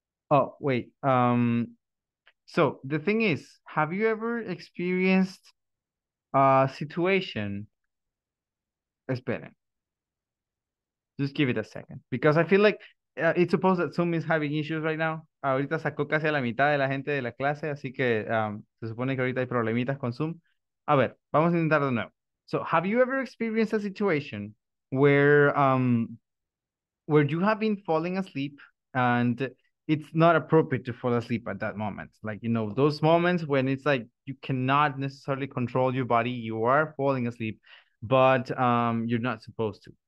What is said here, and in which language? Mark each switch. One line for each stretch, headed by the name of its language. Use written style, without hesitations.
English: Oh, wait. So the thing is, have you ever experienced a situation?
Spanish: Esperen.
English: Just give it a second, because I feel like it's supposed that Zoom is having issues right now.
Spanish: Ahorita sacó casi a la mitad de la gente de la clase, así que se supone que ahorita hay problemitas con Zoom. A ver, vamos a intentar de nuevo.
English: So, have you ever experienced a situation where you have been falling asleep and it's not appropriate to fall asleep at that moment? Like, you know, those moments when it's like you cannot necessarily control your body, you are falling asleep, but you're not supposed to.